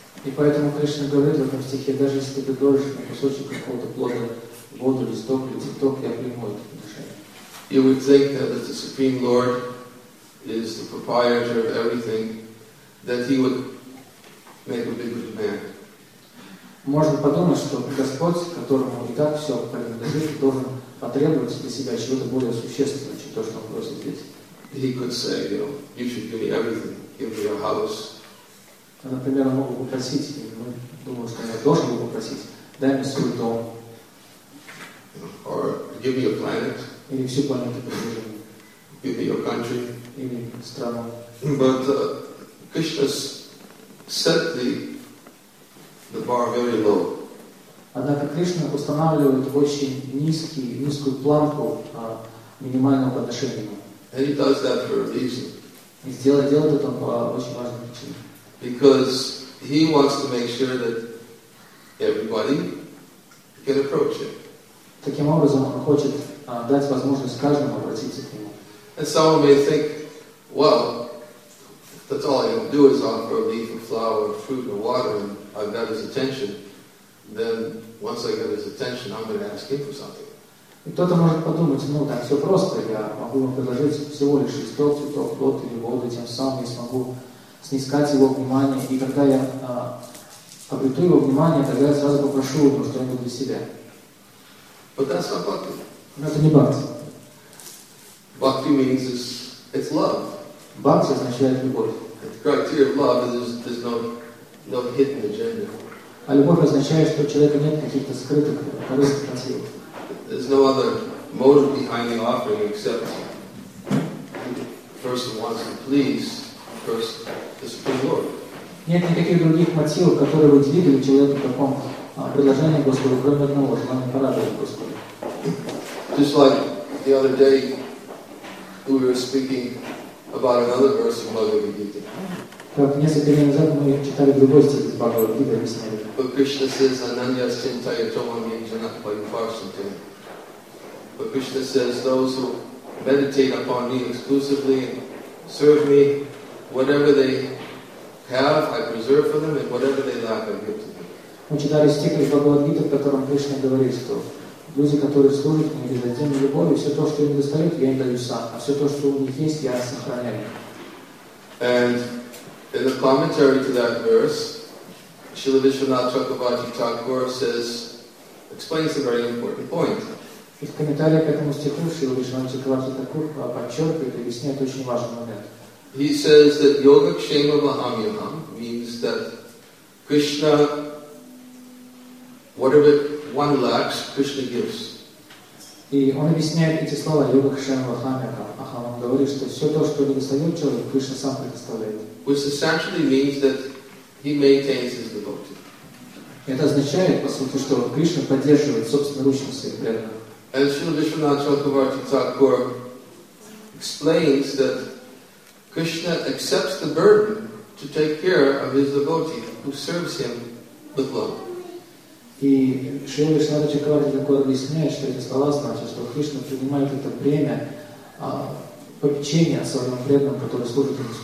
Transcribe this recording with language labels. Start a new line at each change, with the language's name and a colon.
Russian: И поэтому Кришна говорит в этом стихе, даже если ты предложишь мне кусочек какого-то плода, воду, листок или цветок, я приму это отношение.
English: You would think that the Supreme Lord is the proprietor of everything, that he would make a bigger demand.
Russian: Можно подумать, что Господь, которому и так все принадлежит, должен потребовать для себя чего-то более существенного, чем то, что он просит здесь.
English: He could say, you know, you should give me everything. Give me your house.
Russian: Например, он мог бы попросить, и мы думаем, что он должен был попросить, дай мне свой дом.
English: Or give me a planet.
Russian: Или всю планету поддержим.
English: Give me your country.
Russian: Или страну.
English: But Krishna set the bar very low.
Russian: Однако Кришна устанавливает очень низкую планку минимального подношения.
English: And he does that for a reason.
Russian: И делает это по очень важной причине.
English: Because he wants to make sure that everybody can approach him.
Russian: Таким образом, он хочет дать возможность каждому обратиться к нему.
English: And someone may think, well, that's all I can do is offer a leaf, a flower, a fruit, or water, and I've got his attention. then once I get his attention, I'm going to ask him for something.
Russian: И кто-то может подумать, ну так все просто, я могу ему предложить всего лишь листок, цветок, плод или воду, тем самым я смогу снискать его внимание. И когда я обрету его внимание, тогда я сразу попрошу его что-нибудь для себя.
English: But that's not bhakti.
Russian: Но это не бхакти.
English: Bhakti means it's love.
Russian: Bhakti означает любовь.
English: The criteria of love is there's no hidden agenda.
Russian: А любовь означает, что у человека нет каких-то скрытых корыстных мотивов.
English: There's no other motive behind the offering except the person wants to please the Supreme Lord.
Russian: Нет никаких других мотивов, которые вы двигали человеку в таком предложении Господу, кроме одного, желания порадовать Господа.
English: Just like the other day we were speaking about another verse of Bhagavad Gita.
Russian: Как несколько дней назад мы читали другой стих из Бхагавад Гиты, объясняли.
English: But Krishna says,
Sanskrit: Ananya Sintaya Tomamin Janapayu Parsantin.
English: But Krishna says, those who meditate upon me exclusively and serve me, whatever they have, I preserve for them, and whatever they lack, I give to them.
Russian: Мы читали стих из Бхагавад Гиты, в котором Кришна говорит, что люди, которые служат мне без отдельной любовью, все то, что им достают, я им даю сам, а все то, что у них есть, я сохраняю.
English: And in the commentary to that verse, Śrīla Viśvanātha Chakravarti Thakura explains a very important point.
Russian: И в комментарии к этому стиху Śrīla Viśvanātha Chakravarti Thakura подчеркивает и объясняет очень важный момент.
English: He says that
Sanskrit: yoga kshema vaham yoham
English: means that Krishna, whatever one lacks, Krishna gives.
Russian: И он объясняет эти слова
Sanskrit: йога кшема вахам йохам.
Russian: Он говорит, что все то, что недостает человек, Кришна сам предоставляет.
English: Which essentially means that he maintains his devotee.
Russian: Это означает, по сути, что Кришна поддерживает собственноручно своих преданных.
English: And Śrīla Viśvanātha Chakravarti Thakura explains that Krishna accepts the burden to take care of his devotee who serves him with love.
Russian: И Шрила Вишнава Чакраварти Такура объясняет, что эти слова значат, что Кришна принимает это бремя попечения своим преданным, который служит ему с